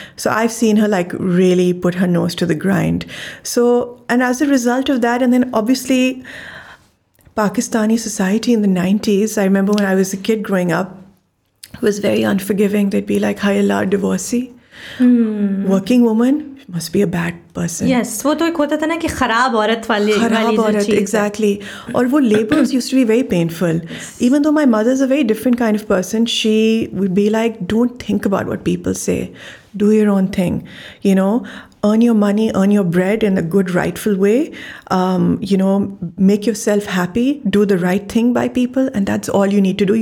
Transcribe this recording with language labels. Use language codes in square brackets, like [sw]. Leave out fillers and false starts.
[en] So I've seen her like really put her nose to the grind. So, and as a result of that, and then obviously Pakistani society in the 90s, I remember when I was a kid growing up, was very unforgiving. They'd be like, hai Allah, divorcee. Working woman, must be a bad person. [hi] Yes, वो तो एक होता था ना कि खराब औरत वाली चीज़. खराब औरत, [en] exactly. [hi] और वो [en] labels used to be very painful. Yes. Even though my mother is a very different kind of person, she would be like, don't think about what people say. Do your own thing. You know, earn your money, earn your bread in a good, rightful way. You know, make yourself happy, do the right thing by people, and that's all you need to do.